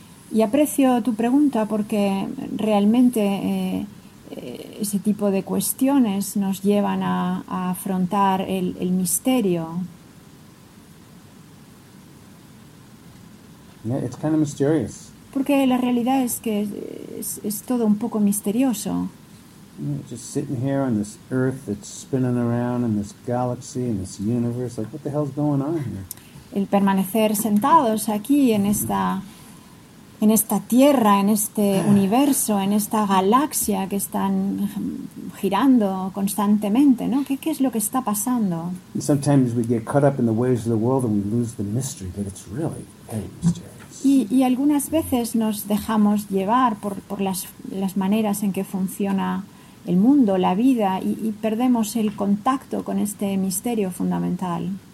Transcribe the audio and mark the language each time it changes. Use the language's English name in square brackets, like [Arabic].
[Spanish] Y aprecio tu pregunta porque realmente ese tipo de cuestiones nos llevan a afrontar el misterio. [English] Yeah, it's kind of mysterious. [Spanish] Porque la realidad es que es todo un poco misterioso. [English] Just sitting here on this earth that's spinning around in this galaxy and this universe, like what the hell's going on here? [Spanish] El permanecer sentados aquí en esta tierra, en este universo, en esta galaxia que están girando constantemente, ¿no? ¿Qué es lo que está pasando? [English] Sometimes we get caught up in the ways of the world and we lose the mystery, but it's really very mysterious. [Spanish] Y algunas veces nos dejamos llevar por las maneras en que funciona el mundo, la vida, y perdemos el contacto con este misterio fundamental.